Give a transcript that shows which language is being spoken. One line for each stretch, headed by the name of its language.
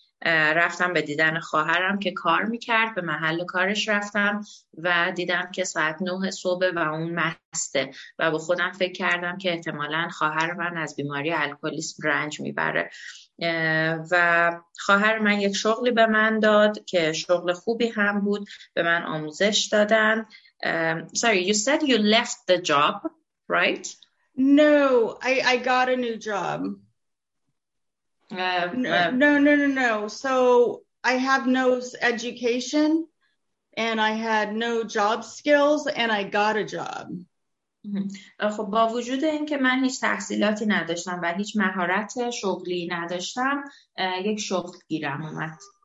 Persian: رفتم به دیدن خواهرم که کار میکرد، به محل کارش رفتم و دیدم که ساعت 9 صبح و اون مسته و با خودم فکر کردم که احتمالاً خواهر من از بیماری الکلیسم رنج میبره و خواهر من یک شغلی به من داد که شغل خوبی هم بود، به من آموزش دادن.
English: Sorry, you said you left the job, right? No, I got a new job. No. So I have no education and I had no job skills and I got a job.
Persian: خب با وجود اینکه من هیچ تحصیلاتی نداشتم و هیچ مهارت شغلی نداشتم، یک شغل گیرم اومد.